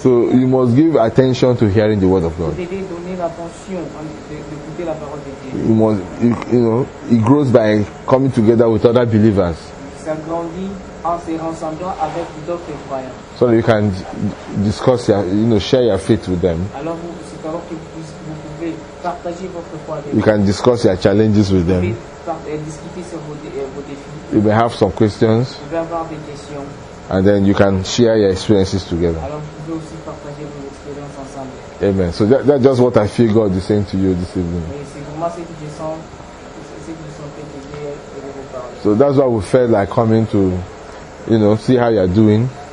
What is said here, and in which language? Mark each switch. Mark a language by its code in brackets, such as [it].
[en] So you must give attention to hearing the word of God. [fr] Vous devez donner l'attention d'écouter la parole de Dieu. [en] It grows by coming together with other believers. [fr] Ça grandit en se rassemblant avec d'autres croyants. [en] So you can discuss share your faith with them. [fr] Alors, c'est alors que vous pouvez partager votre foi avec [en] you can discuss your challenges with them. [fr] Discuter sur vos défis. [en] You may have some questions. [fr] Vous pouvez avoir des questions. [en] And then you can share your experiences together. [fr] Alors, vous pouvez aussi partager vos expériences ensemble. [en] Amen. So that's just what I feel God is saying to you this evening. [fr] Et c'est vraiment ce que je sens, ce que je sens que Dieu veut vous parler. [en] So that's why we felt like coming to see how you're doing.